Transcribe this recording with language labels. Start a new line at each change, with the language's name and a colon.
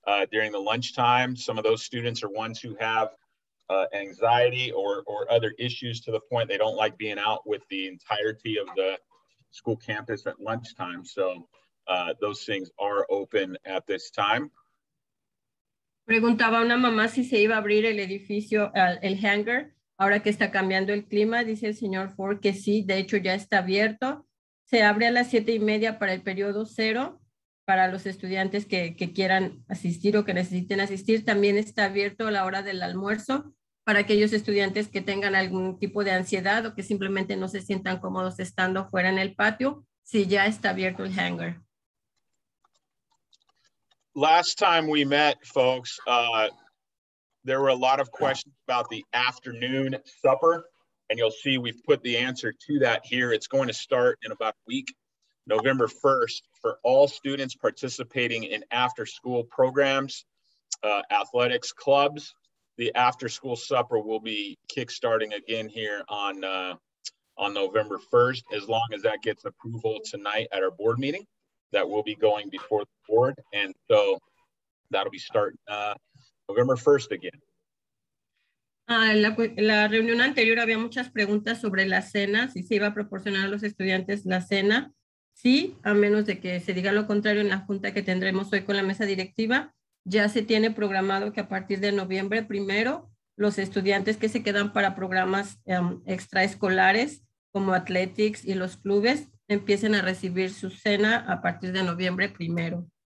English: During the lunchtime, some of those students are ones who have anxiety or other issues to the point they don't like being out with the entirety of the school campus at lunchtime. So those things are open at this time.
Spanish: Preguntaba una mamá si se iba a abrir el edificio, el hangar, ahora que está cambiando el clima. Dice el señor Ford que sí, de hecho ya está abierto. Se abre a las 7:30 para el periodo cero, para los estudiantes que quieran asistir o que necesiten asistir. También está abierto a la hora del almuerzo para aquellos estudiantes que tengan algún tipo de ansiedad o que simplemente no se sientan cómodos estando fuera en el patio, si ya está abierto el hangar.
English: Last time we met, folks, there were a lot of questions about the afternoon supper, and you'll see we've put the answer to that here. It's going to start in about a week, November 1st, for all students participating in after-school programs, athletics, clubs. The after-school supper will be kick-starting again here on November 1st, as long as that gets approval tonight at our board meeting. That will be going before the board. And so that'll be starting November 1st again.
Spanish: La reunión anterior había muchas preguntas sobre la cena, si se iba a proporcionar a los estudiantes la cena. Sí, a menos de que se diga lo contrario en la junta que tendremos hoy con la mesa directiva. Ya se tiene programado que a partir de noviembre primero, los estudiantes que se quedan para programas extraescolares como athletics y los clubes, empiecen a recibir su cena a partir de noviembre primero.